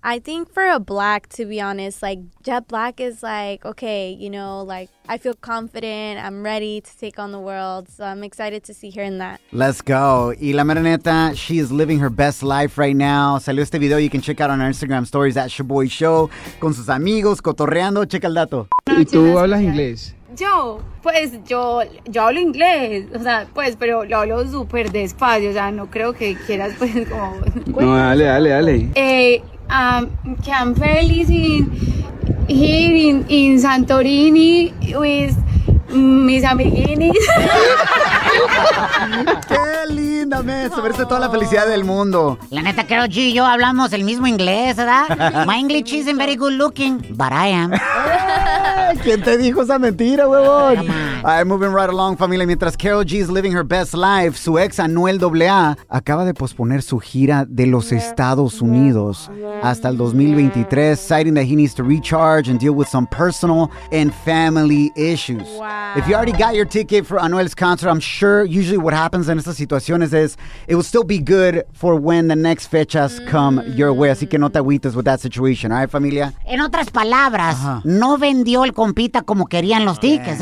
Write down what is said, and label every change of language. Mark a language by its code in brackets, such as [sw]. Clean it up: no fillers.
[en] I think for a black, to be honest, like jet black is like, okay, you know, like I feel confident. I'm ready to take on the world. So I'm excited to see her in that. Let's go. Y la Meraneta, she is living her best life right now. [es] Salió este video. [en] You can check out on our Instagram stories at Shaboy Show. [es] Con sus amigos, cotorreando. Checa el dato. ¿Y tú hablas inglés? Yo, pues yo hablo inglés, o sea, pues, pero lo hablo súper despacio, o sea, no creo que quieras, pues, como... No, dale, dale, dale. [en] I'm feliz in here in Santorini with [es] mis amiguinis. ¡Qué linda, me! Se merece toda la felicidad del mundo. La neta, Carol G y yo hablamos el mismo inglés, ¿verdad? [en] My English isn't very good looking, but I am. [es] ¿Quién te dijo esa mentira, huevón? [en] All right, moving right along, [es] familia. Mientras [en] Carol G is living her best life, [es] su ex Anuel AA acaba de posponer su gira de los Estados Unidos hasta el 2023, [en] citing that he needs to recharge and deal with some personal and family issues. Wow. If you already got your ticket for Anuel's concert, I'm sure usually what happens in [es] estas situaciones [en] is it will still be good for when the next fechas come your way. [es] Así que no te agüites [en] with that situation. All right, familia? [es] En otras palabras, no vendió el compita como querían los tickets.